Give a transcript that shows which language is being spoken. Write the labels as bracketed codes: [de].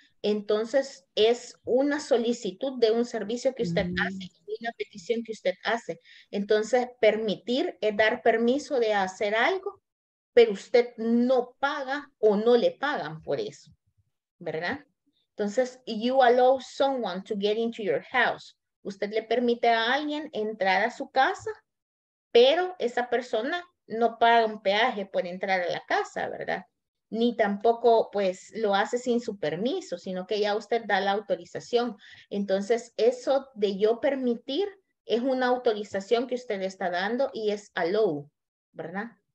[es] Entonces, es una solicitud de un servicio que usted hace, una petición que usted hace. Entonces, permitir es dar permiso de hacer algo, pero usted no paga o no le pagan por eso, ¿verdad? [en] Entonces, you allow someone to get into your house. [es] Usted le permite a alguien entrar a su casa, pero esa persona no paga un peaje por entrar a la casa, ¿verdad? Ni tampoco, pues, lo hace sin su permiso, sino que ya usted da la autorización. Entonces, eso de yo permitir es una autorización que usted está dando y es allow, ¿verdad?